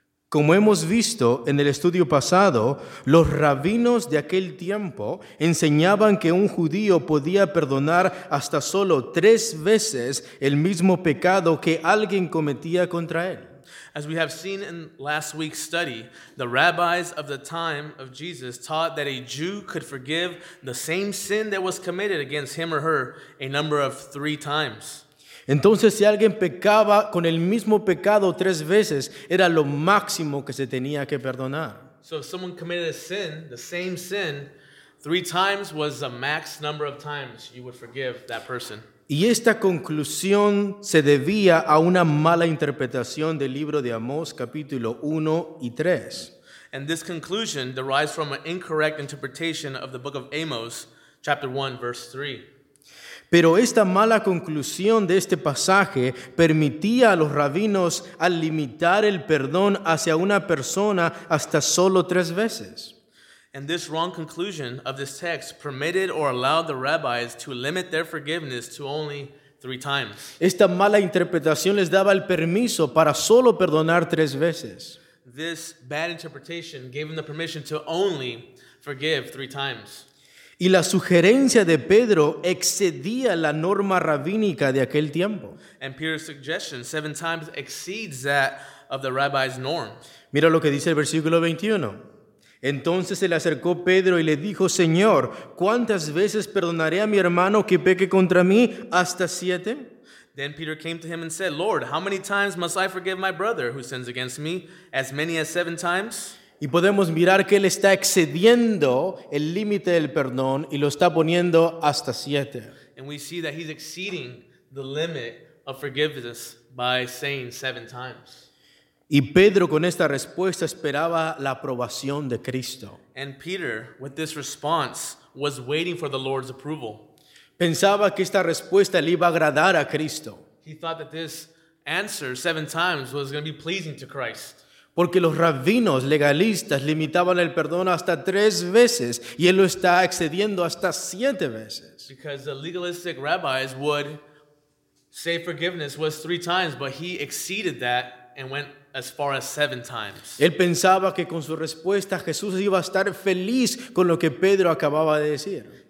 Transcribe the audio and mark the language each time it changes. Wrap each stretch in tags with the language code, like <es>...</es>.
<es>Como hemos visto en el estudio pasado, los rabinos de aquel tiempo enseñaban que un judío podía perdonar hasta solo tres veces el mismo pecado que alguien cometía contra él.</es> <en>As we have seen in last week's study, the rabbis of the time of Jesus taught that a Jew could forgive the same sin that was committed against him or her a number of three times.</en> <es>Entonces, si alguien pecaba con el mismo pecado tres veces, era lo máximo que se tenía que perdonar.</es> <en>So if someone committed a sin, the same sin, three times was the max number of times you would forgive that person.</en> <es>Y esta conclusión se debía a una mala interpretación del libro de Amós, capítulo 1 y 3.</es> <en>And this conclusion derives from an incorrect interpretation of the book of Amos, chapter 1, verse 3.</en> <es>Pero esta mala conclusión de este pasaje permitía a los rabinos al limitar el perdón hacia una persona hasta solo tres veces.</es> <en>And this wrong conclusion of this text permitted or allowed the rabbis to limit their forgiveness to only three times.</en> <es>Esta mala interpretación les daba el permiso para solo perdonar tres veces.</es> <en>This bad interpretation gave them the permission to only forgive three times.</en> <es>Y la sugerencia de Pedro excedía la norma rabínica de aquel tiempo.</es> <en>And Peter's suggestion seven times exceeds that of the rabbi's norm.</en> <es>Mira lo que dice el versículo 21. Entonces se le acercó Pedro y le dijo, Señor, ¿cuántas veces perdonaré a mi hermano que peque contra mí? ¿Hasta siete?</es> <en>Then Peter came to him and said, Lord, how many times must I forgive my brother who sins against me? As many as seven times?</en> <es>Y podemos mirar que él está excediendo el límite del perdón y lo está poniendo hasta siete.</es> <en>And we see that he's exceeding the limit of forgiveness by saying seven times.</en> <es>Y Pedro con esta respuesta esperaba la aprobación de Cristo.</es> <en>And Peter, with this response, was waiting for the Lord's approval.</en> <es>Pensaba que esta respuesta le iba a agradar a Cristo.</es> <en>He thought that this answer seven times was going to be pleasing to Christ.</en> <es>Porque los rabinos legalistas limitaban el perdón hasta tres veces y él lo está excediendo hasta siete veces.</es> <en>Because the legalistic rabbis would say forgiveness was three times, but he exceeded that and went as far as seven times.</en> <es>Él pensaba que con su respuesta Jesús iba a estar feliz con lo que Pedro acababa de decir.</es>